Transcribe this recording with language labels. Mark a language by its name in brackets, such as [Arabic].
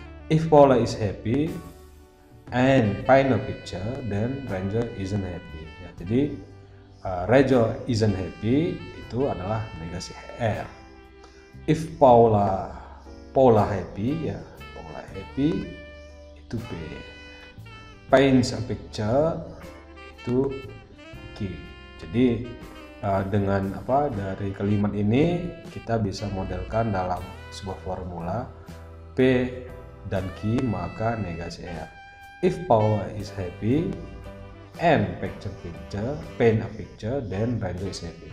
[English] If Paula is happy and paint a picture, then Ranger isn't happy. [Indonesian] Ya, jadi [English] Ranger isn't happy [Indonesian] itu adalah negasi R. [English] If Paula happy ya, Paula happy itu P. Paints a picture itu Q. [Indonesian] Jadi dengan apa dari kalimat ini kita bisa modelkan dalam sebuah formula P dan Q maka negasi R. [English] If Paula is happy and paint a picture then Ranger is happy.